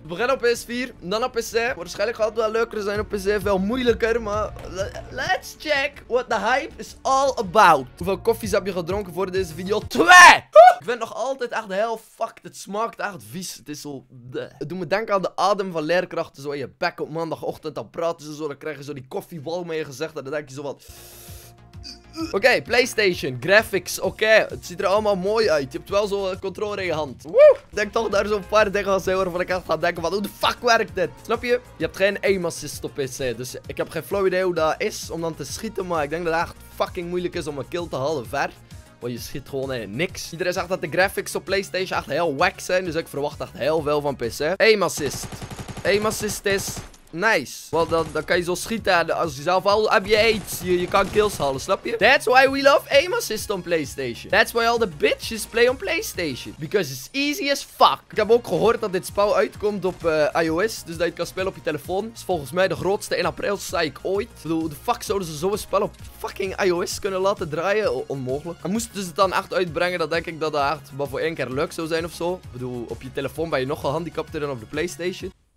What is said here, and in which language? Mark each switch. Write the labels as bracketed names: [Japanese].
[Dutch] We beginnen op PS4, dan op PC. Waarschijnlijk gaat het wel leuker zijn op PC. Veel moeilijker, maar... [English] let's check what the hype is all about. [Dutch] Hoeveel koffies heb je gedronken voor deze video? 2! Ik vind nog altijd echt heel fucked. Het smaakt echt vies. Het is zo... Het doet me denken aan de adem van leerkrachten. Zo in je bek op maandagochtend. Dan praten ze zo. Dan krijg je zo die koffiebalm in je gezicht. En dan denk je zo wat... Oké, okay, PlayStation, graphics, oké. Okay. Het ziet er allemaal mooi uit. Je hebt wel zo'n controller in je hand. Woe! Ik denk toch daar zo'n paar dingen aan zijn waarvan ik echt ga denken van, hoe de fuck werkt dit? Snap je? Je hebt geen aim assist op PC, dus ik heb geen flauw idee hoe dat is om dan te schieten, maar ik denk dat het echt fucking moeilijk is om een kill te halen ver. Want je schiet gewoon in niks. Iedereen zegt dat de graphics op PlayStation echt heel wack zijn, dus ik verwacht echt heel veel van PC. Aim assist is... nice. Want dan kan je zo schieten als je zelf al heb je aids. Je kan kills halen, snap je? [English] That's why we love aim assist on PlayStation. That's why all the bitches play on PlayStation. Because it's easy as fuck. [Dutch] Ik heb ook gehoord dat dit spel uitkomt op iOS. Dus dat je kan spelen op je telefoon. Dat is volgens mij de grootste in april psych ooit. Ik bedoel, de fuck zouden ze zo'n spel op fucking iOS kunnen laten draaien? Onmogelijk. En moesten ze het dan echt uitbrengen, dan denk ik dat dat echt maar voor 1 keer leuk zou zijn of zo. Ik bedoel, op je telefoon ben je nog gehandicapter dan op de PlayStation.